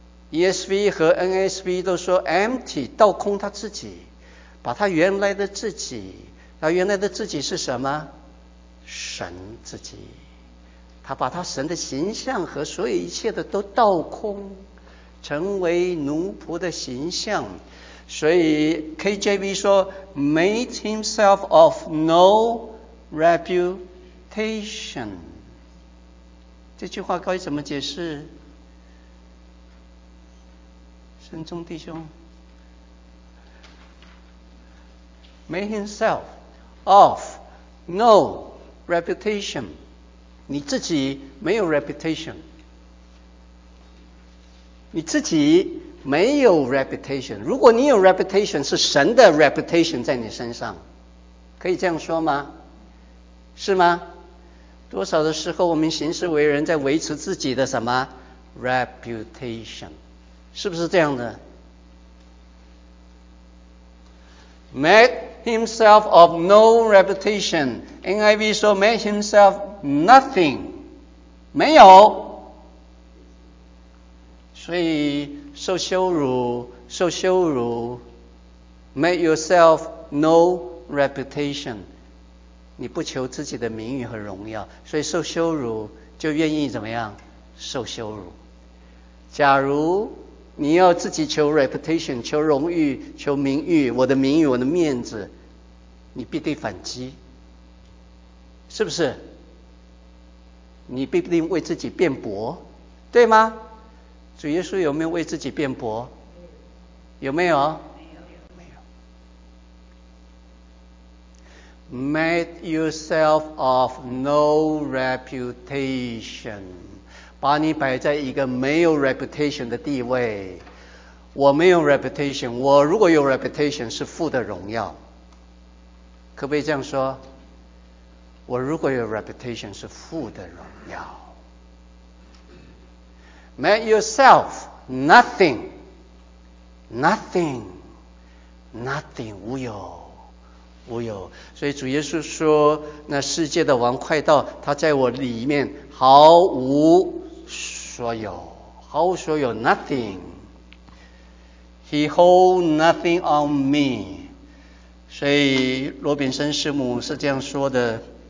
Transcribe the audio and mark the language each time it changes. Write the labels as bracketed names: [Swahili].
[Chinese] ESV 和 NASB 都说 empty 倒空他自己，把他原来的自己，他原来的自己是什么？神自己，他把他神的形象和所有一切的都倒空，成为奴仆的形象。所以 KJV 说 [English] made himself of no reputation。 [Chinese] 这句话该怎么解释？神中弟兄 [English] made himself of no reputation， [Chinese] 你自己没有 reputation， 你自己没有 reputation。如果你有 reputation， 是神的 reputation 在你身上，可以这样说吗？是吗？多少的时候我们行事为人在维持自己的什么 reputation， 是不是这样的？ [English] made himself of no reputation， NIV 说 made himself nothing， [Chinese] 没有。所以受羞辱，受羞辱， [English] make yourself no reputation， [Chinese] 你不求自己的名誉和荣耀，所以受羞辱就愿意怎么样？受羞辱。假如你要自己求 reputation， 求荣誉，求名誉，我的名誉，我的面子，你必定反击，是不是？你必定为自己辩驳，对吗？主耶稣有没有为自己辩驳？有没有？没有。 [English] Made yourself of no reputation， [Chinese] 把你摆在一个没有 reputation 的地位。我没有 reputation， 我如果有 reputation 是父的荣耀，可不可以这样说？我如果有 reputation 是父的荣耀。 [English] Make yourself nothing, nothing, nothing， [Chinese] 无有，无有。所以主耶稣说，那世界的王快到，他在我里面毫无所有，毫无所有 ，nothing。 [English] He hold nothing on me。 [Chinese] 所以罗炳生师母是这样说的。